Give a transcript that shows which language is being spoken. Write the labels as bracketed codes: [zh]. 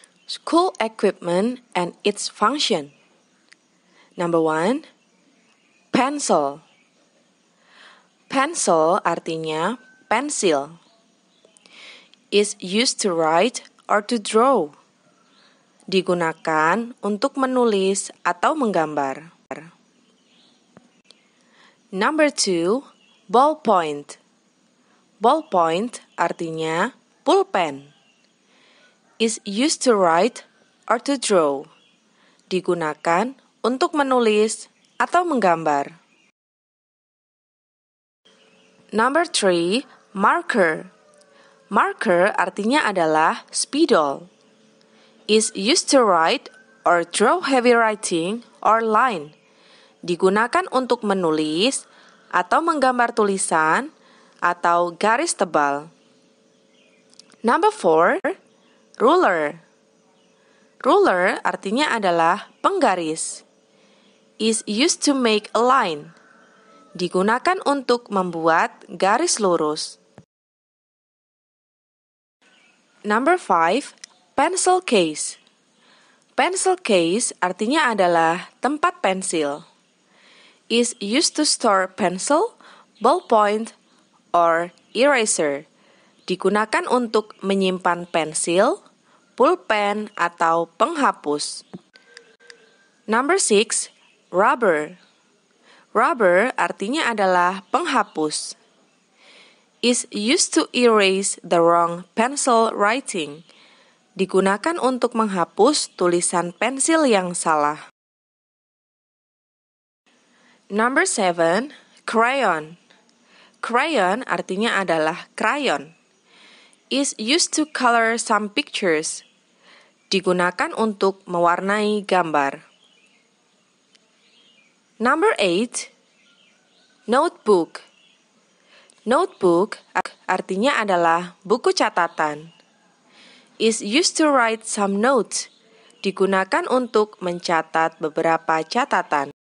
[en] School equipment and its function. Number one, pencil. Pencil [id] artinya pensil. [en] Is used to write or to draw. [id] Digunakan untuk menulis atau menggambar. [en] Number two, ballpoint. Ballpoint [id] artinya pulpen. [en] Is used to write or to draw. [id] Digunakan untuk menulis atau menggambar. [en] Number three, marker. Marker [id] artinya adalah spidol. [en] Is used to write or draw heavy writing or line. [id] Digunakan untuk menulis atau menggambar tulisan atau garis tebal. [en] Number four, ruler. Ruler [id] artinya adalah penggaris. [en] Is used to make a line. [id] Digunakan untuk membuat garis lurus. [en] Number five, pencil case. Pencil case [id] artinya adalah tempat pensil. [en] Is used to store pencil, ballpoint, or eraser. [id] Digunakan untuk menyimpan pensil, pulpen atau penghapus. [en] Number six, rubber. Rubber [id] artinya adalah penghapus. [en] Is used to erase the wrong pencil writing. [id] Digunakan untuk menghapus tulisan pensil yang salah. [en] Number seven, crayon. [id] Crayon artinya adalah krayon. [en] Is used to color some pictures. [id] Digunakan untuk mewarnai gambar. [en] Number eight, notebook. [id] Notebook artinya adalah buku catatan. [en] Is used to write some notes. [id] Digunakan untuk mencatat beberapa catatan.